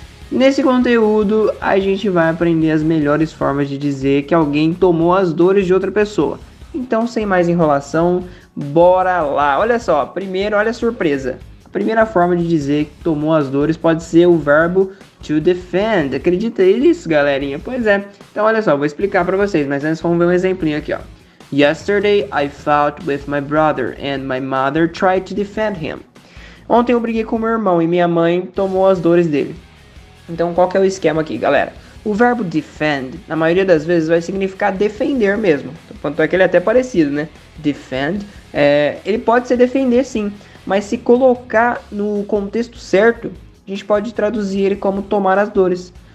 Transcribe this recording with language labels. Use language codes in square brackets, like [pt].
[pt] Nesse conteúdo, a gente vai aprender as melhores formas de dizer que alguém tomou as dores de outra pessoa. Então, sem mais enrolação, bora lá! Olha só, primeiro, olha a surpresa. A primeira forma de dizer que tomou as dores pode ser o verbo to defend. Acredita nisso, galerinha? Pois é. Então, olha só, vou explicar para vocês, mas antes vamos ver um exemplinho aqui, ó. [en] Yesterday, I fought with my brother and my mother tried to defend him. [pt] Ontem eu briguei com meu irmão e minha mãe tomou as dores dele. Então, qual que é o esquema aqui, galera? O verbo defend, na maioria das vezes, vai significar defender mesmo. Tanto é que ele é até parecido, né? Defend, ele pode ser defender, sim. Mas se colocar no contexto certo, a gente pode traduzir ele como tomar as dores.